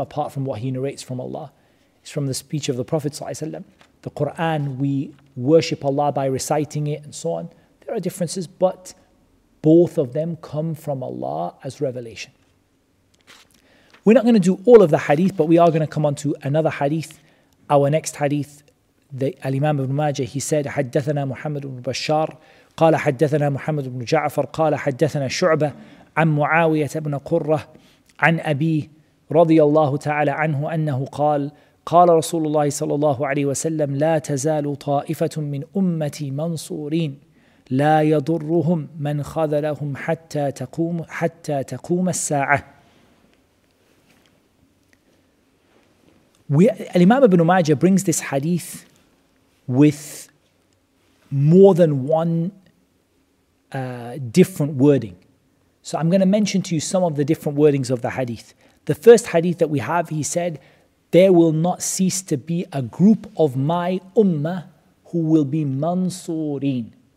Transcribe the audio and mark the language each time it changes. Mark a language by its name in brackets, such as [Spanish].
[English] Apart from what he narrates from Allah, it's from the speech of the Prophet sallallahu alaihi wasallam. The Quran, we worship Allah by reciting it and so on. There are differences, but both of them come from Allah as revelation. We're not going to do all of the hadith, but we are going to come on to another hadith. Our next hadith, Al-Imam ibn Majah, he said, [Arabic] حدثنا محمد بن بشار قال حدثنا محمد بن جعفر قال حدثنا شعبة عن معاوية بن قرة عن أبي رضي الله تعالى عنه أنه قال قال رسول الله صلى الله عليه وسلم لا تزال طائفة من أمتي منصورين لا يضرهم من خذلهم حتى تقوم الساعة. [English] Al-Imam ibn Majah brings this hadith with more than one different wording. So I'm going to mention to you some of the different wordings of the hadith. The first hadith that we have, he said, there will not cease to be a group of my ummah who will be mansurin.